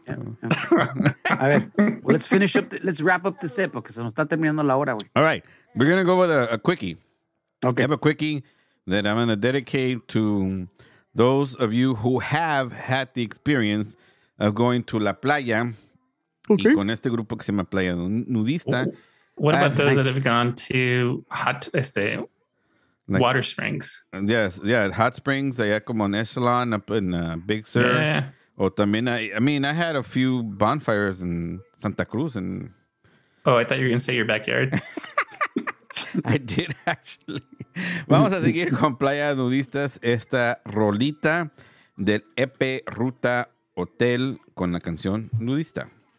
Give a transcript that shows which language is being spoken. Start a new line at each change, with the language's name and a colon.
English: Yeah. Yeah. All right. Well, let's finish up. Let's wrap up this episode because
Spanish: se nos está terminando la hora, güey.
English: All right. We're going to go with a quickie. Okay. I have a quickie that I'm going to dedicate to those of you who have had the experience of going to La Playa. Okay.
Spanish: Y con este grupo que se llama Playa Nudista.
English: Oh. What about those that have gone to Hot este? Like, water springs. Yes, yeah, hot springs. I had come on Echelon up in Big Sur. Yeah, yeah. Or también, I mean, I had a few bonfires in Santa Cruz. And oh, I thought you were going to say your backyard. I did, actually.
Spanish: Vamos a seguir con Playa Nudistas esta rolita del EP Ruta Hotel con la canción Nudista.